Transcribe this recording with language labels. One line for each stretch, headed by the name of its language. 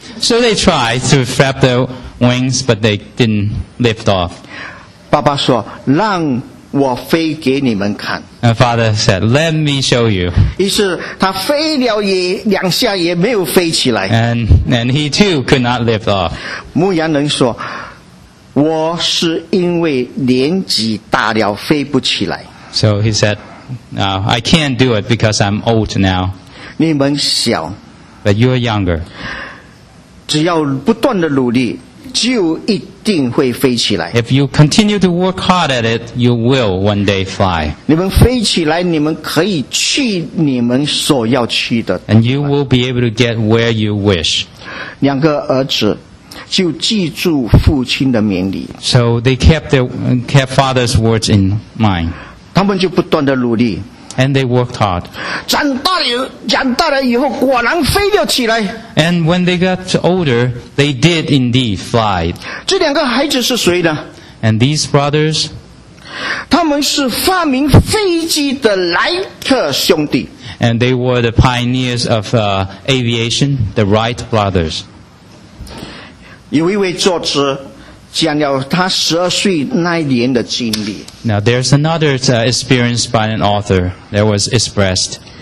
English: So they tried to flap their wings, but they didn't lift off.
Chinese: 爸爸说, 让我飞给你们看。
English: And father said, let me show you.
Chinese: 于是他飞了也, 两下, 也没有飞起来。
English: And he too could not lift off.
Chinese: 牧羊人说, 我是因为年纪大了飞不起来。
English: So he said, I can't do it because I'm old now.
Chinese: 你们小,
English: but you're younger.
Chinese: 只要不断的努力, 就一定会飞起来。
English: If you continue to work hard at it, you will one day fly.
Chinese: 你们飞起来, 你们可以去你们所要去的。
English: And you will be able to get where you wish.
Chinese: 两个儿子, 就记住父亲的命令。
English: So they kept father's words in mind.
Chinese: 他们就不断的努力。
English: And they worked hard.
Chinese: 长大了以后, 果然飞了起来。
English: And when they got older, they did indeed fly.
Chinese: 这两个孩子是谁呢?
English: And these brothers?
Chinese: 他们是发明飞机的莱特兄弟。
English: And they were the pioneers of aviation, the Wright brothers.
Chinese: 有一位作词, 讲了他12岁那年的经历。
English: Now there's another experience by an author that was expressed.